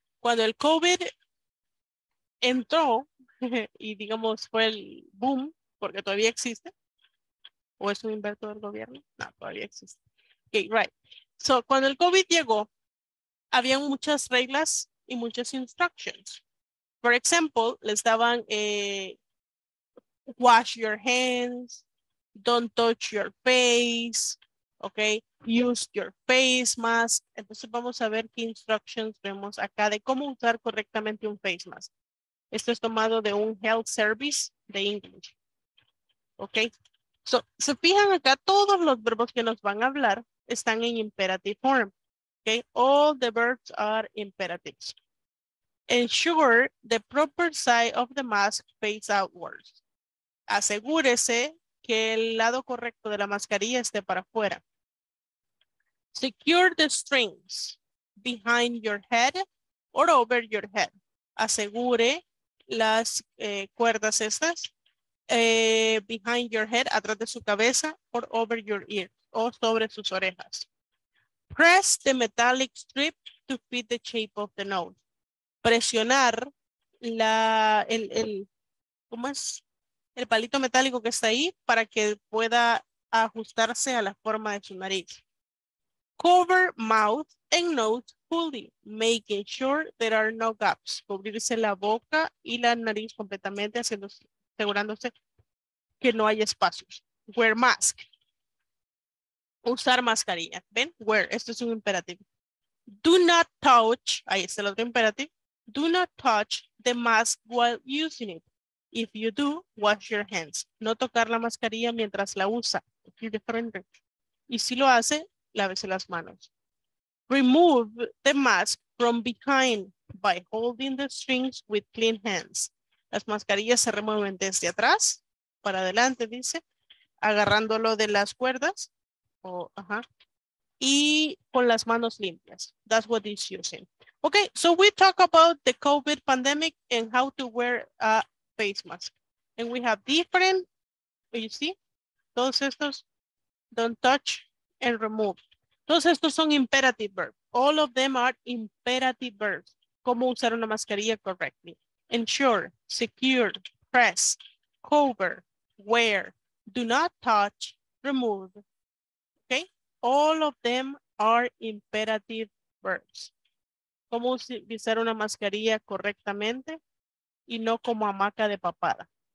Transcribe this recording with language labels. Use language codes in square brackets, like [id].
[es] Cuando el COVID entró y digamos fue el boom, porque todavía existe. ¿O es un invento del gobierno? No, todavía existe. Okay, right. So, cuando el COVID llegó, había muchas reglas y muchas instructions. [en] For example, [es] les daban [en] wash your hands, don't touch your face, okay, use your face mask. [es] Entonces vamos a ver qué instructions vemos acá de cómo usar correctamente un face mask. Esto es tomado de un health service de English. Okay, so se fijan acá, todos los verbos que nos van a hablar están en imperative form. [en] Okay, all the verbs are imperatives. Ensure the proper side of the mask face outwards. [es] Asegúrese que el lado correcto de la mascarilla esté para afuera. [en] Secure the strings behind your head or over your head. [es] Asegure las cuerdas estas [en] behind your head, [es] atrás de su cabeza, [en] or over your ear, [es] o sobre sus orejas. [en] Press the metallic strip to fit the shape of the nose. [es] Presionar el palito metálico que está ahí para que pueda ajustarse a la forma de su nariz. [en] Cover mouth and nose fully, making sure there are no gaps. [es] Cubrirse la boca y la nariz completamente, asegurándose que no haya espacios. [en] Wear mask. [es] Usar mascarilla. ¿Ven? Wear. Esto es un imperativo. [en] Do not touch. [es] Ahí está el otro imperativo. [en] Do not touch the mask while using it. If you do, wash your hands. [es] No tocar la mascarilla mientras la usa. Y si lo hace, lávese las manos. [en] Remove the mask from behind by holding the strings with clean hands. [es] Las mascarillas se remueven desde atrás para adelante, dice, agarrándolo de las cuerdas. Y con las manos limpias. [en] That's what he's using. Okay, so we talk about the COVID pandemic and how to wear a face mask. And we have different, you see, [es] todos estos, [en] don't touch and remove. [es] Todos estos son [en] imperative verbs. All of them are imperative verbs. [es] Cómo usar una mascarilla [en] correctly. Ensure, secure, press, cover, wear, do not touch, remove. Okay, all of them are imperative verbs. [es] Cómo usar una mascarilla correctamente y no como hamaca de papada.